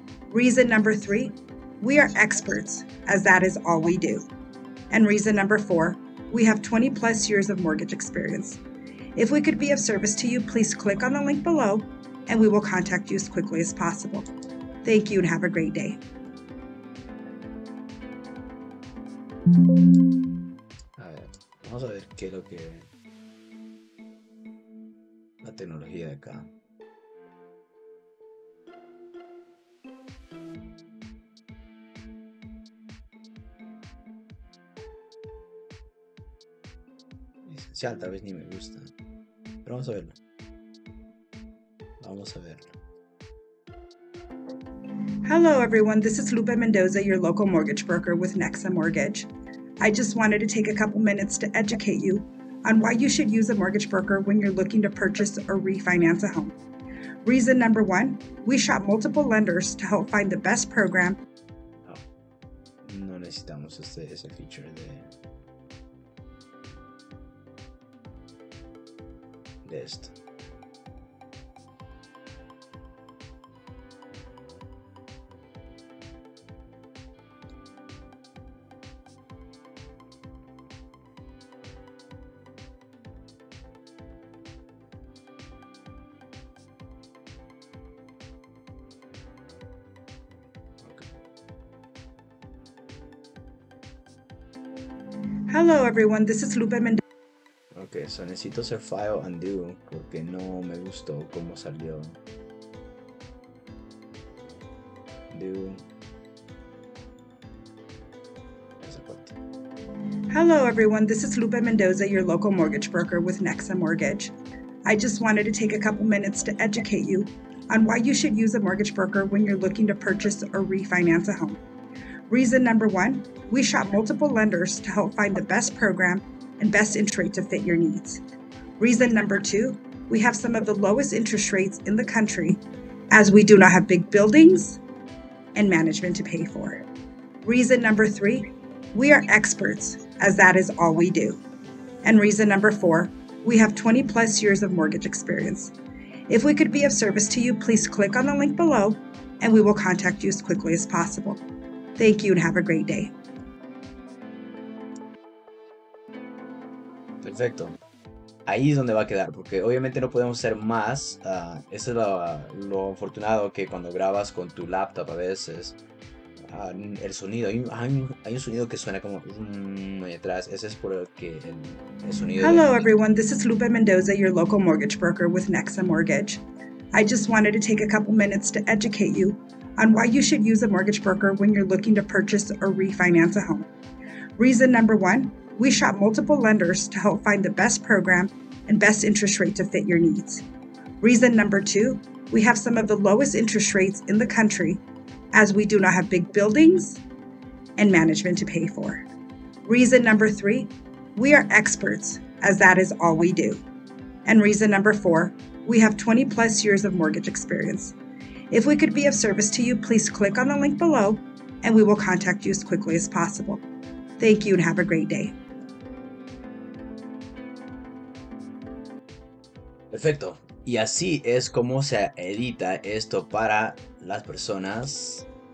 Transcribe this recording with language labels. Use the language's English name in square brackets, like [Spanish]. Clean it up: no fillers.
[English] Reason number three, we are experts as that is all we do. And reason number four, we have 20 plus years of mortgage experience. If we could be of service to you, please click on the link below and we will contact you as quickly as possible. Thank you and have a great day. [Spanish] A ver, vamos a ver qué es lo que la tecnología de acá. Esencial, tal vez ni me gusta. Pero vamos a verlo. [English] Hello, everyone. This is Lupe Mendoza, your local mortgage broker with Nexa Mortgage. I just wanted to take a couple minutes to educate you on why you should use a mortgage broker when you're looking to purchase or refinance a home. Reason number one, we shop multiple lenders to help find the best program. [Spanish] Oh, no necesitamos ese feature de esto. [English] Hello everyone, this is Lupe Mendoza. [Spanish] Okay, so necesito hacer file undo porque no me gustó cómo salió. [English] Undo. [Spanish] Esa parte. [English] Hello everyone, this is Lupe Mendoza, your local mortgage broker with Nexa Mortgage. I just wanted to take a couple minutes to educate you on why you should use a mortgage broker when you're looking to purchase or refinance a home. Reason number one, we shop multiple lenders to help find the best program and best interest rate to fit your needs. Reason number two, we have some of the lowest interest rates in the country as we do not have big buildings and management to pay for. Reason number three, we are experts as that is all we do. And reason number four, we have 20 plus years of mortgage experience. If we could be of service to you, please click on the link below and we will contact you as quickly as possible. Thank you and have a great day. [Spanish] Perfecto. Ahí es donde va a quedar, porque obviamente no podemos hacer más. Eso es lo afortunado que cuando grabas con tu laptop a veces, el sonido, hay un sonido que suena como muy atrás. Ese es por el sonido. [English] Hello everyone, this is Lupe Mendoza, your local mortgage broker with Nexa Mortgage. I just wanted to take a couple minutes to educate you on why you should use a mortgage broker when you're looking to purchase or refinance a home. Reason number one, we shop multiple lenders to help find the best program and best interest rate to fit your needs. Reason number two, we have some of the lowest interest rates in the country as we do not have big buildings and management to pay for. Reason number three, we are experts as that is all we do. And reason number four, we have 20 plus years of mortgage experience. If we could be of service to you, please click on the link below and we will contact you as quickly as possible. Thank you and have a great day. [Spanish] Perfecto. Y así es como se edita esto para las personas.